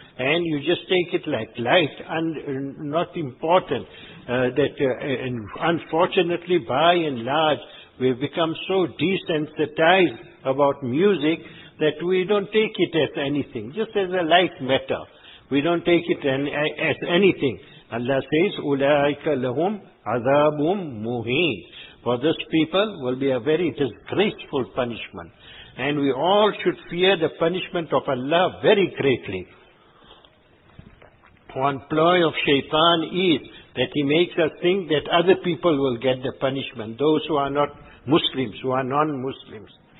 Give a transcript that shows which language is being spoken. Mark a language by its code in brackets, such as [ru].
[en] And you just take it like light and not important. And unfortunately, by and large, we've become so desensitized about music that we don't take it as anything, just as a light matter. We don't take it as anything. [ar] Allah says, أُولَٰئِكَ لَهُمْ عَذَابٌ مُهِينٌ. [en] For this people will be a very disgraceful punishment. And we all should fear the punishment of Allah very greatly. One ploy of shaitan is that he makes us think that other people will get the punishment, those who are not Muslims, who are non-Muslims.